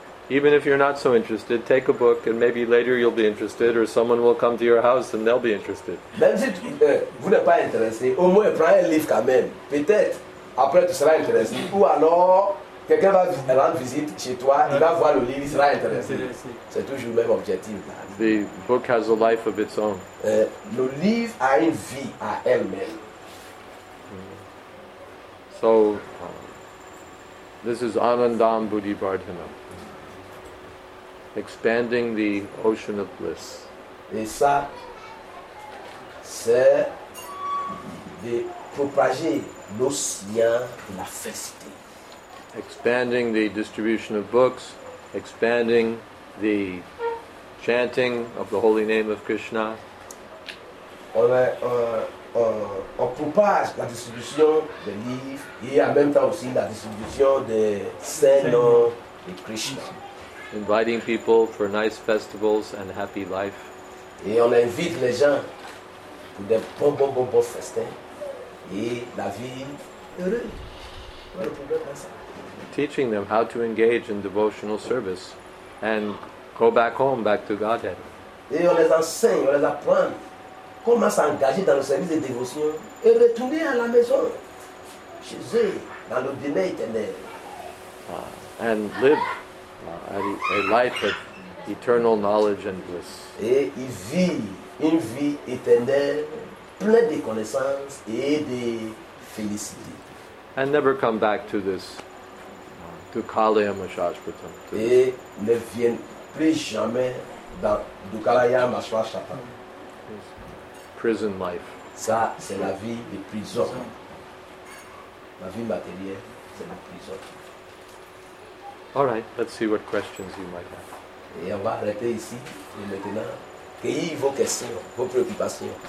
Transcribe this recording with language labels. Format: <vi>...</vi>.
<en>Even if you're not so interested, take a book and maybe later you'll be interested or someone will come to your house and they'll be interested.</en> <fr>Même si vous n'êtes pas intéressé, au moins prends un livre quand même. Peut-être après tu seras intéressé. Ou alors quelqu'un va rendre visite chez toi, il va voir le livre, il sera intéressé. C'est toujours le même objectif.</fr> <en>The book has a life of its own.</en> <fr>Le livre a une vie à elle-même.</fr> <en>So, this is Anandam Buddhi Vardhanam. Expanding the ocean of bliss.</en> <fr>Et ça, c'est de propager l'océan de la félicité.</fr> <en>Expanding the distribution of books, expanding the chanting of the holy name of Krishna.</en> <fr>On a, on propage la distribution des livres et en même temps aussi la distribution des saints noms de Krishna.</fr> <en>Inviting people for nice festivals and happy life.</en> <fr>Et on invite les gens pour des bons, bons, bons, bons festins et la vie heureuse.</fr> <en>Teaching them how to engage in devotional service and go back home, back to Godhead.</en> <fr>Et on les enseigne, on les apprend comment s'engager dans le service de dévotion et retourner à la maison, chez eux, dans le dîner éternel.</fr> <en>And live a life of eternal knowledge and bliss.</en> <fr>Et il vit une vie éternelle, pleine de connaissances et de félicité.</fr> <en>And never come back to this, to Kalayam Ashashvatam.</en> <fr>Et ne vient plus jamais dans Dukalayam Ashashvatam.</fr> <en>Prison life.</en> <fr>Ça, c'est la vie de prison. La vie matérielle, c'est la prison.</fr> <en>All right, let's see what questions you might have.</en> <fr>Et on va arrêter ici, et maintenant, cueillir vos questions, vos préoccupations.</fr>